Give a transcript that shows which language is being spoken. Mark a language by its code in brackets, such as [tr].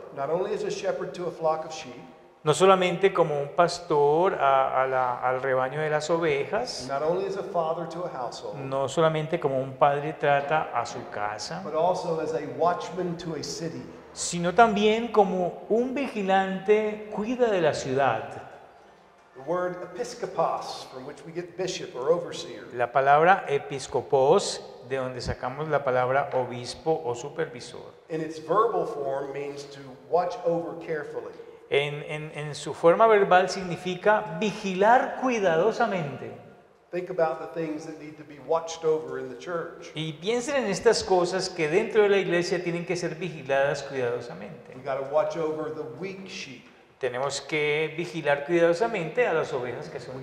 [en] not only as a shepherd to a flock of sheep, [es] no solamente como un pastor al rebaño de las ovejas, [en] not only as a father to a household, [es] no solamente como un padre trata a su casa, [en] but also as a watchman to a city, [es] sino también como un vigilante cuida de la ciudad. [en] The word episkopos, from which we get bishop or overseer. [es] La palabra episkopos, de donde sacamos la palabra obispo o supervisor. [en] In its verbal form means to watch over carefully. [es] En su forma verbal significa vigilar cuidadosamente. [en] Think about the things that need to be watched over in the church. [es] Y piensen en estas cosas que dentro de la iglesia tienen que ser vigiladas cuidadosamente. [en] We've got to watch over the weak sheep. [es] Tenemos que vigilar cuidadosamente a las ovejas que son